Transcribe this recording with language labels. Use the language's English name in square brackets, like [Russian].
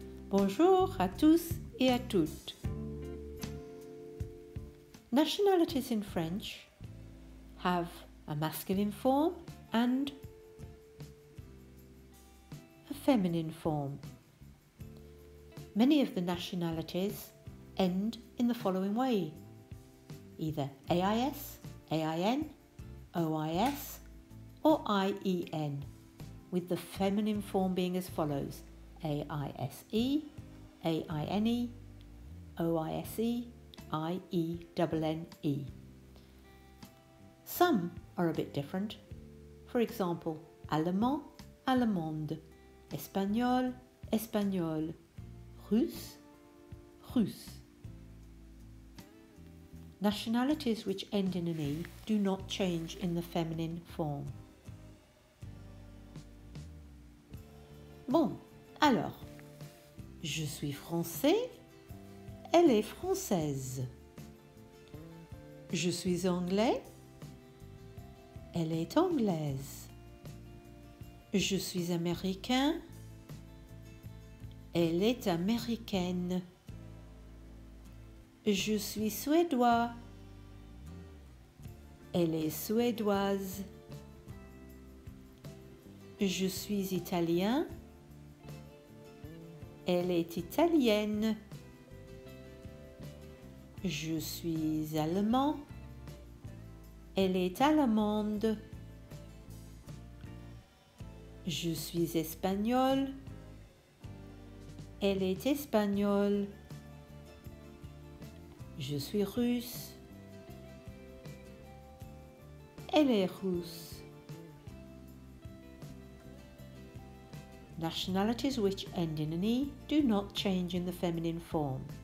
[French] Bonjour à tous et à toutes. [English] Nationalities in French have a masculine form and a feminine form. Many of the nationalities end in the following way, either AIS, AIN, OIS, or IEN, with the feminine form being as follows, AISE, AINE, OISE, IENNE. Some are a bit different, for example, Allemand, Allemande, Espagnol, Espagnol, Russe, Russe. Nationalities which end in an E do not change in the feminine form. [French] Bon, alors, je suis français, elle est française. Je suis anglais, elle est anglaise. Je suis américain, elle est américaine. Je suis suédois, elle est suédoise. Je suis italien, elle est italienne. Je suis allemand, elle est allemande. Je suis espagnole, elle est espagnole. Je suis russe, elle est russe. [English] Nationalities which end in an E do not change in the feminine form.